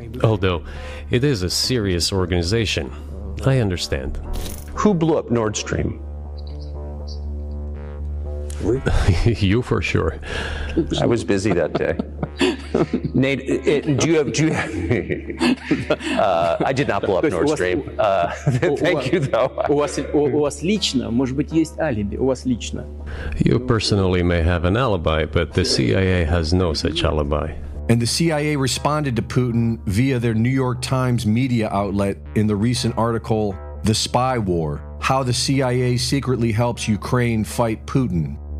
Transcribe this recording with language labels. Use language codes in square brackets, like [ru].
[en] Although, it is a serious organization. I understand. Who blew up Nord Stream? You for sure. I was busy that day. Nate, do you have I did not blow up Nord Stream. Thank you though. [ru] У вас лично, может быть, есть алиби. У вас лично. [en] You personally may have an alibi, but the CIA has no such alibi. And the CIA responded to Putin via their New York Times media outlet in the recent article The Spy War: How the CIA Secretly Helps Ukraine Fight Putin.